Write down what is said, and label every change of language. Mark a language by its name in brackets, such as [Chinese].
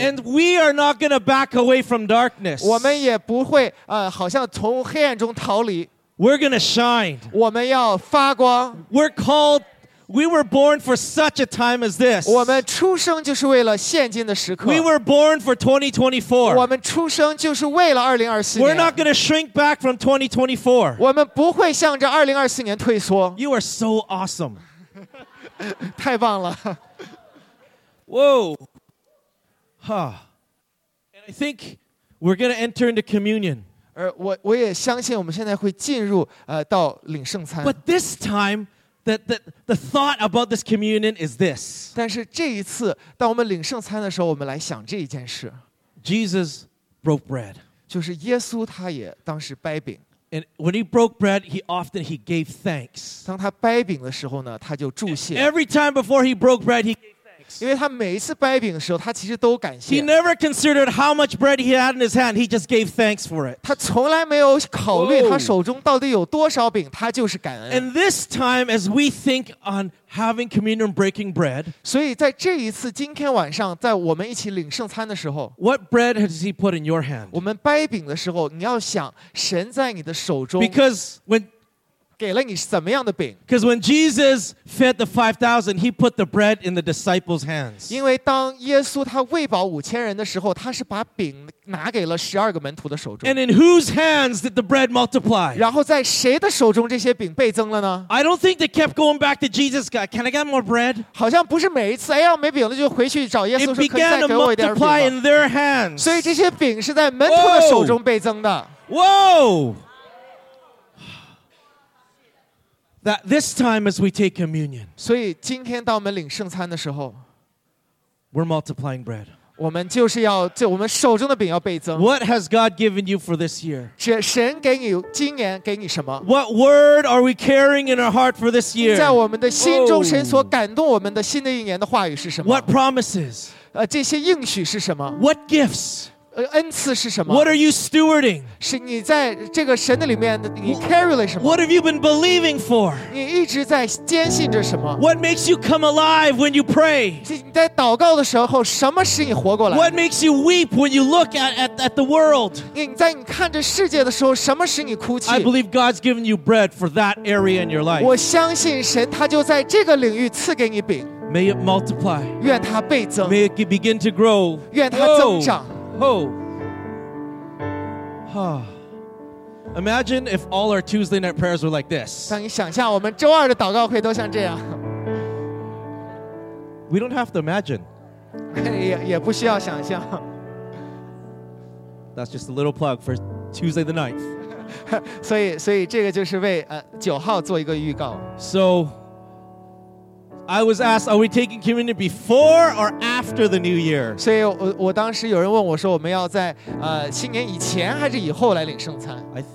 [English] And we are not going to back away from darkness. [Chinese] 我们也不会好像从黑暗中逃离。 [English] We're going to shine. [Chinese] 我们要发光。 [English] We're calledWe were born for such a time as this. [Chinese] 我们出生就是为了现今的时刻。 [English] We were born for 2024. [Chinese] 我们出生就是为了2024年。 [English] We're not going to shrink back from 2024. [Chinese] 我们不会向着2024年退缩。 [English] You are so awesome. [Chinese] 太棒了。 Whoa. Huh. [English] I think we're going to enter into communion. [Chinese] 我也相信我们现在会进入到领圣餐。 [English] But this time, the thought about this communion is this. [Chinese] 但是这一次，当我们领圣餐的时候，我们来想这一件事。 [English] Jesus broke bread. [Chinese] 就是耶稣他也当时掰饼。 [English] And when he broke bread, he gave thanks. [Chinese] 当他掰饼的时候呢，他就祝谢。 [English] Every time before he broke bread, he He never considered how much bread he had in his hand. He just gave thanks for it. [Chinese] 他从来没有考虑他手中到底有多少饼，他就是感恩。 [English] And this time, as we think on having communion, breaking bread, [Chinese] 所以在这一次今天晚上，在我们一起领圣餐的时候 [English] ，What bread has he put in your hand? [Chinese] 我们掰饼的时候，你要想神在你的手中。 [English] Because when Because when Jesus fed the 5,000, he put the bread in the disciples' hands. [Chinese] 因为当耶稣他喂饱五千人的时候，他是把饼拿给了十二个门徒的手中。 [English] And in whose hands did the bread multiply? [Chinese] 然后在谁的手中这些饼倍增了呢？ [English] I don't think they kept going back to Jesus. God, can I get more bread? [Chinese] 好像不是每一次，哎，要没饼了就回去找耶稣说，可以再给我一点饼 [English] 吗？ It began to multiply in their hands. [Chinese] 所以这些饼是在门徒的手中倍增的。 Whoa! [English] That this time as we take communion, [Chinese] 所以今天当我们领圣餐的时候 [English] we're multiplying bread. [Chinese] 我们就是要就我们手中的饼要倍增 [English] What has God given you for this year? [Chinese] 这神给你今年给你什么 [English] What word are we carrying in our heart for this year? [Chinese] 在我们的心中神所感动我们的新的一年的话语是什么 [English] What promises? [Chinese] 这些应许是什么 [English] What gifts? [Chinese] 恩赐是什么 [English] What are you stewarding? [Chinese] 是你在这个神的里面你 carry 了什么 [English] What have you been believing for? [Chinese] 你一直在坚信着什么 [English] What makes you come alive when you pray? [Chinese] 你在祷告的时候什么使你活过来 [English] What makes you weep when you look at the world? [Chinese] 你在你看着世界的时候什么使你哭泣 [English] I believe God's given you bread for that area in your life [Chinese] 我相信神他就在这个领域赐给你饼 [English] May it multiply [Chinese] 愿它倍增 [English] May it begin to grow [Chinese] 愿它增长 Oh. Huh. [English] Imagine if all our Tuesday night prayers were like this. [Chinese] 当你想象我们周二的祷告会都像这样。 [English] We don't have to imagine. [Chinese] 也不需要想象。 [English] That's just a little plug for Tuesday the 9th. [Chinese] 所以这个就是为九号做一个预告。 [English] So, I was asked, are we taking communion before or after the new year? [Chinese] 所以我当时有人问我说我们要在新年以前还是以后来领圣餐